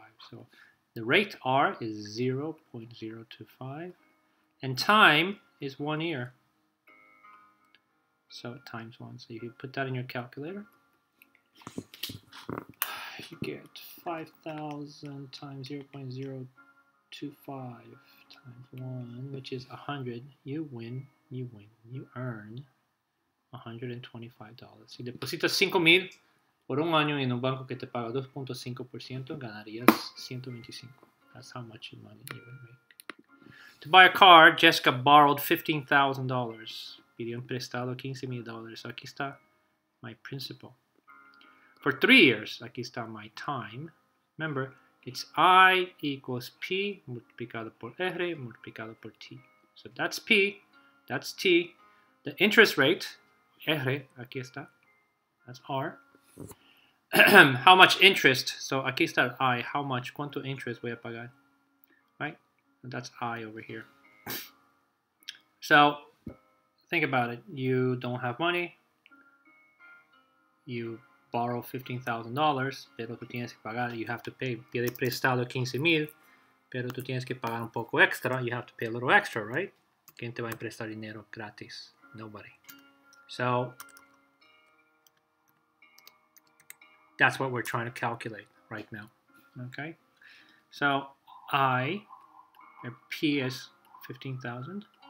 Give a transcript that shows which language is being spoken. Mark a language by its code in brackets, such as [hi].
[en] So the rate R is 0.025, and time is 1 year. So times one. So if you put that in your calculator, you get 5,000 times 0.025 times one, which is 100. You win. You earn $125. [es] Si depositas 5,000 por un año en un banco que te paga 2.5%, ganarías 125. [en] That's how much money you would make. To buy a car, Jessica borrowed $15,000. [es] Pidió prestado $15,000. Aquí está [en] my principal. For 3 years, [es] aquí está [en] my time. Remember, it's I equals P [es] multiplicado por [en] R multiplicado por T. So that's P, that's T. The interest rate, R, [es] aquí está, [en] that's R. [es] How much interest? So aquí está I, [en] how much, [es] cuánto interest voy a pagar? Right? [en] And that's I over here. So think about it. You don't have money. You borrow $15,000, [es] pero tú tienes que pagar, [en] you have to pay. [es] Pide prestado 15,000, pero tú tienes que pagar un poco extra. [en] You have to pay a little extra, right? [es] ¿Quién te va a prestar dinero gratis? [en] Nobody. So that's what we're trying to calculate right now. Okay? So I, or P is 15,000.